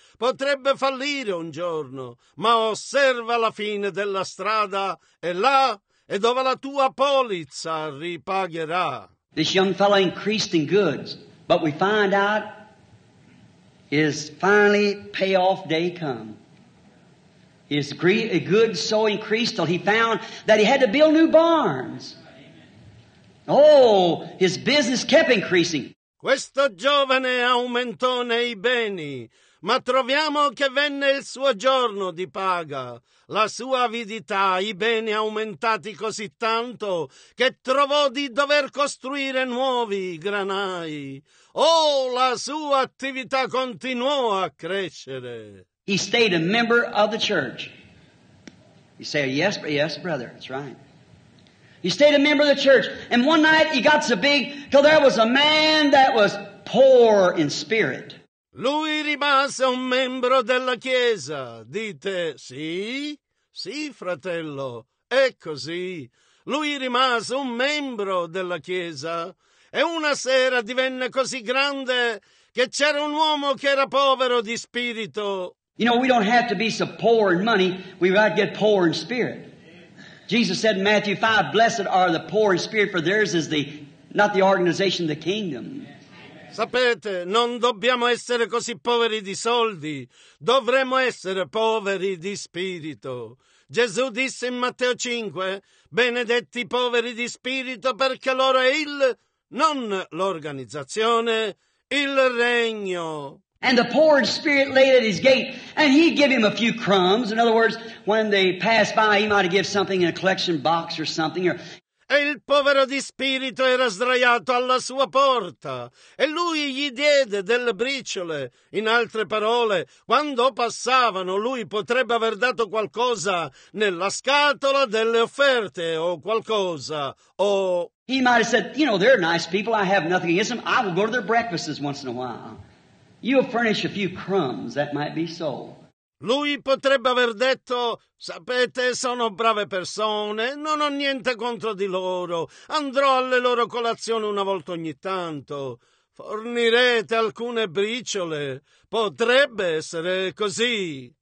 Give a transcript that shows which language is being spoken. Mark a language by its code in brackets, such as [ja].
[it] Potrebbe fallire un giorno. Ma osserva la fine della strada e là è dove la tua polizza ripagherà. [en] This young fellow increased in goods, but we find out his finally payoff day come. His goods so increased till he found that he had to build new barns. Oh, his business kept increasing. [it] Questo giovane aumentò nei beni, ma troviamo che venne il suo giorno di paga. La sua avidità, i beni aumentati così tanto che trovò di dover costruire nuovi granai. Oh, la sua attività continuò a crescere. [en] He stayed a member of the church. You say, yes, brother, that's right. He stayed a member of the church, and one night he got so big till there was a man that was poor in spirit. [it] Lui rimase un membro della Chiesa. Dite sì? Sì, fratello, è così. Lui rimase un membro della Chiesa e una sera divenne così grande che c'era un uomo che era povero di spirito. [en] You know, we don't have to be so poor in money, we might get poor in spirit. Jesus said in Matthew 5, blessed are the poor in spirit, for theirs is the, not the organization, the kingdom. [it] Sapete, non dobbiamo essere così poveri di soldi, dovremmo essere poveri di spirito. Gesù disse in Matteo 5, benedetti i poveri di spirito, perché loro è il, non l'organizzazione, il regno. [en] And the poor in spirit laid at his gate, and he'd give him a few crumbs. In other words, when they passed by, he might give something in a collection box or something. Or... [it] E il povero di spirito era sdraiato alla sua porta, e lui gli diede delle briciole. In altre parole, quando passavano, lui potrebbe aver dato qualcosa nella scatola delle offerte o qualcosa, o... [en] He might have said, you know, they're nice people, I have nothing against them, I will go to their breakfasts once in a while. You'll furnish a few crumbs, that might be so. [it] Lui potrebbe aver detto, sapete, sono brave persone, non ho niente contro di loro, andrò alle loro colazioni una volta ogni tanto. Fornirete alcune briciole, potrebbe essere così.